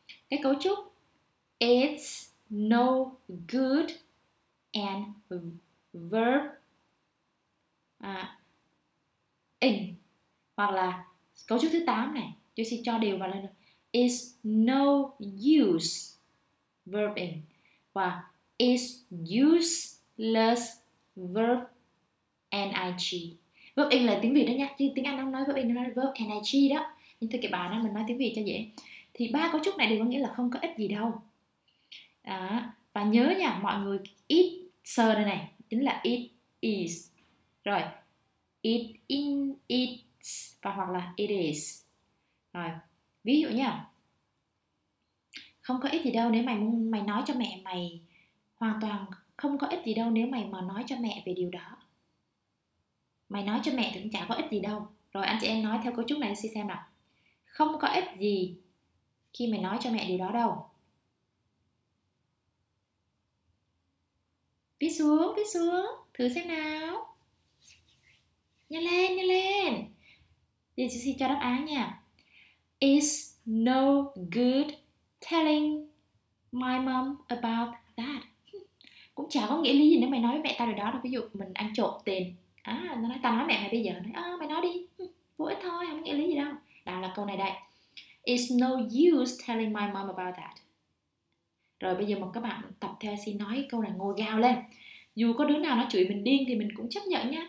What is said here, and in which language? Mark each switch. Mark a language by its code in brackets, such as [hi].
[vi] Cái cấu trúc [en] it's no good and verb in. [vi] Hoặc là cấu trúc thứ 8 này, tôi sẽ cho đều vào lên. [en] It's no use verb in. [vi] Và [en] is useless verb ing. [vi] Verb ing là tiếng Việt đó nha, chứ tiếng Anh không nói verb ing, nó verb ing đó. Nhưng tôi kể bà nào mình nói tiếng Việt cho dễ. Thì ba cấu trúc này đều có nghĩa là không có ích gì đâu. Đó. Và nhớ nha, mọi người it sơ đây này chính là it is. Rồi. It in its và hoặc là it is. Rồi. Ví dụ nha. Không có ích gì đâu nếu mày nói cho mẹ mày, hoàn toàn không có ích gì đâu nếu mày mà nói cho mẹ về điều đó. Mày nói cho mẹ thì cũng chả có ích gì đâu. Rồi anh chị em nói theo cấu trúc này xem nào. Không có ích gì khi mày nói cho mẹ điều đó đâu. Viết xuống, thử xem nào. Nhanh lên, nhanh lên. Để chị xin cho đáp án nha. [en] It's no good telling my mom about that. [vi] Cũng chả có nghĩa lý gì nếu mày nói với mẹ tao điều đó đâu. Ví dụ mình ăn trộm tiền. À, nó nói, tao nói mẹ mày bây giờ. Nói, mày nói đi. Vô ích thôi, không nghĩa lý gì đâu. Đó là câu này đây. [en] It's no use telling my mom about that. [vi] Rồi bây giờ một các bạn tập theo xin nói câu này ngồi gào lên. Dù có đứa nào nó chửi mình điên thì mình cũng chấp nhận nhá.